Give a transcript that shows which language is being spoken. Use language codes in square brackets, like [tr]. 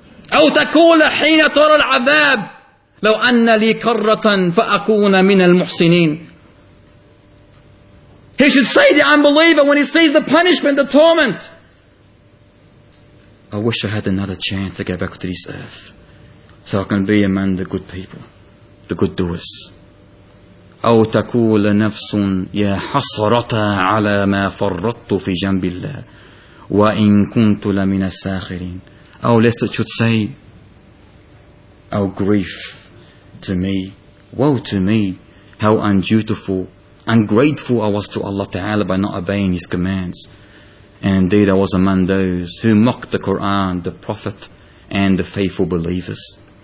[ar] أَوْ تَكُولَ حِينَ تَرَى الْعَذَابِ لَوْ أَنَّ لِي كَرَّةً فَأَكُونَ مِنَ الْمُحْسِنِينَ. [en] He should say, the unbeliever, when he sees the punishment, the torment, I wish I had another chance to go back to this earth so I can be among the good people, the good doers. [ar] أو تقول نفس يا حسرة على ما فرطت في جنب الله وإن كنت لمن الساخرين. [en] Oh, lest it should say, oh grief to me, woe to me, how undutiful, ungrateful I was to Allah Ta'ala by not obeying His commands. And indeed I was among those who mocked the Quran, the Prophet, and the faithful believers.